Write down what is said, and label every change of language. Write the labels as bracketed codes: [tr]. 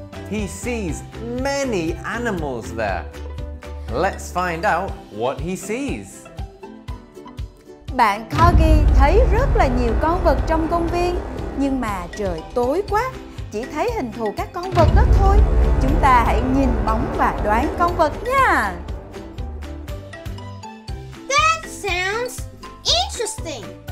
[en] He sees many animals there. Let's find out what he sees. [vi] Bạn Corgi thấy rất là nhiều con vật trong công viên. Nhưng mà trời tối quá, chỉ thấy hình thù các con vật đó thôi. Chúng ta hãy nhìn bóng và đoán con vật nha. [en] That sounds interesting.